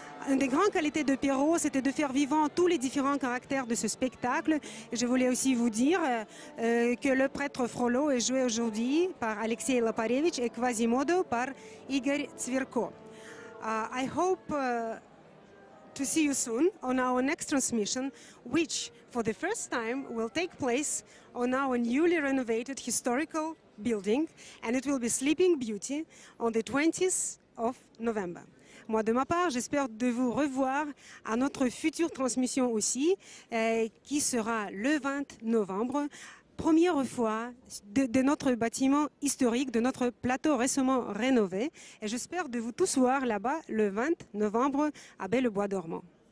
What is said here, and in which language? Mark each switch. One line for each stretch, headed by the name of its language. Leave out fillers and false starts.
French: Une des grandes qualités de Perrault, c'était de faire vivant tous les différents caractères de ce spectacle. Je voulais aussi vous dire que le prêtre Frollo est joué aujourd'hui par Alexei Laparevich et Quasimodo par Igor Tsvirko.
English: I hope to see you soon on our next transmission, which for the first time will take place on our newly renovated historical building, and it will be Sleeping Beauty on the 20th of November.
French: Moi, de ma part, j'espère de vous revoir à notre future transmission aussi, qui sera le 20 novembre, première fois de notre bâtiment historique, de notre plateau récemment rénové. Et j'espère de vous tous voir là-bas le 20 novembre à Belle au bois dormant.